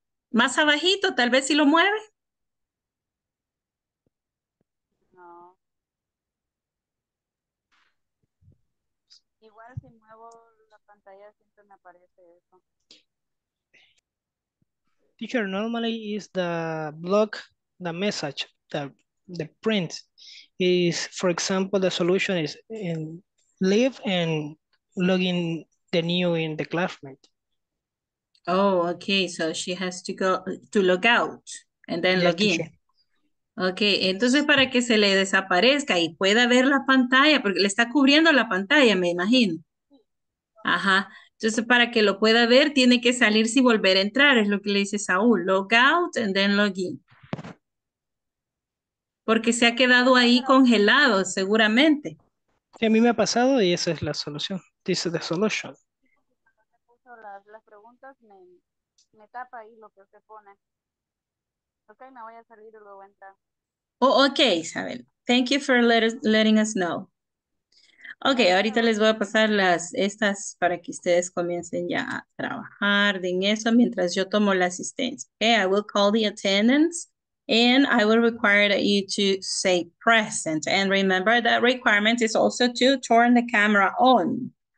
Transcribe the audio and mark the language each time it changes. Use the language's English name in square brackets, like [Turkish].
[Spanish] Más abajito, tal vez si lo mueve. No. Igual si muevo la pantalla siempre me aparece eso. [English] Teacher, normally is the block, the message, the print is, for example, the solution is in leave and login the new in the classroom. Oh, okay. So she has to go to log out and then log in. Okay. [Spanish] Entonces, para que se le desaparezca y pueda ver la pantalla, porque le está cubriendo la pantalla, me imagino. Ajá. Entonces, para que lo pueda ver, tiene que salir y volver a entrar. Es lo que le dice Saúl. [English] Log out and then log in. [Spanish] Porque se ha quedado ahí congelado, seguramente. Sí, a mí me ha pasado y esa es la solución. [English] This is the solution. [Spanish] Las preguntas me tapa ahí lo que usted pone. Ok, me voy a salir y luego entrar. [English] Oh, ok, Isabel. Thank you for letting us know. [Spanish] Ok, ahorita les voy a pasar estas para que ustedes comiencen ya a trabajar en eso mientras yo tomo la asistencia. [English] Okay, I will call the attendance and I will require that you to say present. And remember that requirement is also to turn the camera on.